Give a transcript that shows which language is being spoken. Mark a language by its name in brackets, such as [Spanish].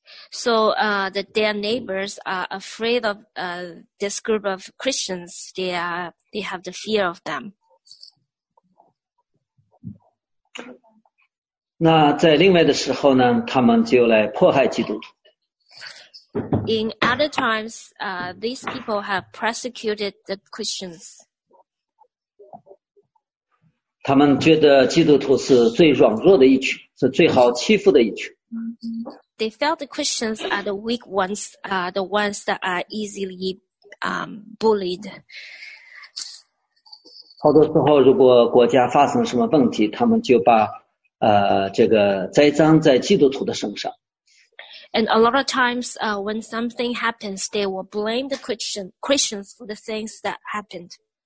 [English] So their neighbors are afraid of this group of Christians. They have the fear of them. [Chinese] 那在另外的时候呢，他们就来迫害基督徒。 [English] In other times, these people have persecuted the Christians. [Chinese] 他们觉得基督徒是最软弱的一群，是最好欺负的一群。 [English] They felt the Christians are the weak ones, the ones that are easily bullied. [Chinese] 好多时候，如果国家发生什么问题，他们就把这个栽赃在基督徒的身上。 [English] And a lot of times, when something happens, they will blame the Christians for the things that happened.